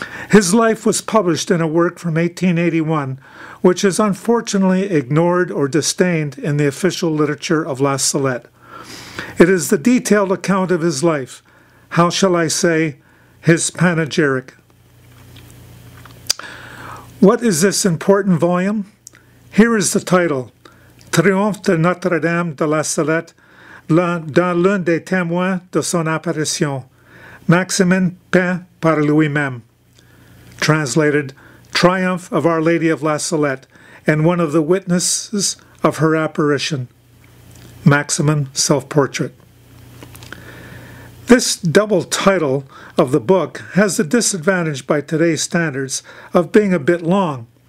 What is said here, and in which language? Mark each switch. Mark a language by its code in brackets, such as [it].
[en] His life was published in a work from 1881, which is unfortunately ignored or disdained in the official literature of LaSalette. It is the detailed account of his life, how shall I say, his panegyric. What is this important volume? Here is the title, [fr] Triomphe de Notre-Dame de LaSalette, dans l'un des témoins de son apparition, Maximin peint par lui-même. [en] Translated, Triumph of Our Lady of LaSalette and one of the witnesses of her apparition. Maximin Self-Portrait. This double title of the book has the disadvantage by today's standards of being a bit long.